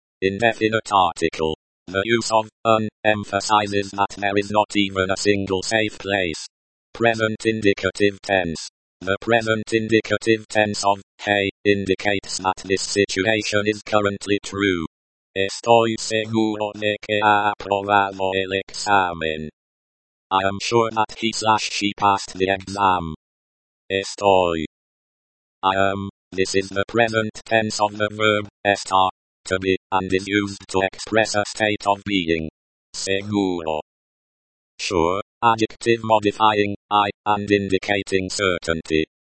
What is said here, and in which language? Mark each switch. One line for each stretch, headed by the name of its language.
English: Indefinite article. The use of un emphasizes that there is not even a single safe place. Present indicative tense. The present indicative tense of hey indicates that this situation is currently true.
Spanish: Estoy seguro de que ha aprobado el examen.
English: I am sure that he slash she passed the exam. Estoy. I am. This is the present tense of the verb, estar, to be, and is used to express a state of being. Seguro. Sure, adjective modifying, I, and indicating certainty.